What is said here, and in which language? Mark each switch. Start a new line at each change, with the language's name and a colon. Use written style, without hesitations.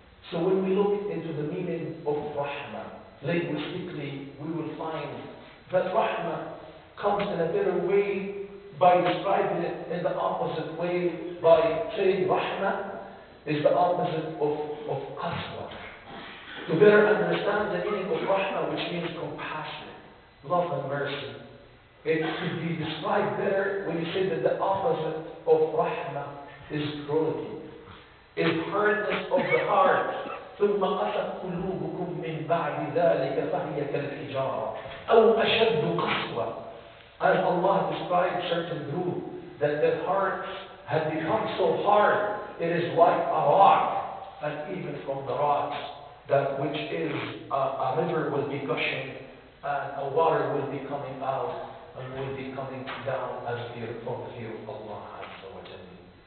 English: So when we look into the meaning of rahmah, linguistically, we will find that rahmah comes in a better way by describing it in the opposite way, by saying rahmah is the opposite of qaswa. To better understand the meaning of rahmah, which means compassion, love and mercy, it should be described better when you say that the opposite of rahmah is cruelty, is hardness of the heart.
Arabic: ثم قست قلوبكم من بعد ذلك فهي كالحجارة أو أشد قسوة.
English: As Allah described certain group that their hearts had become so hard, it is like a rock, and even from the rocks that which is a river will be gushing, and a water will be coming out and will be coming down as dear from the fear of Allah Azza wa Jalla.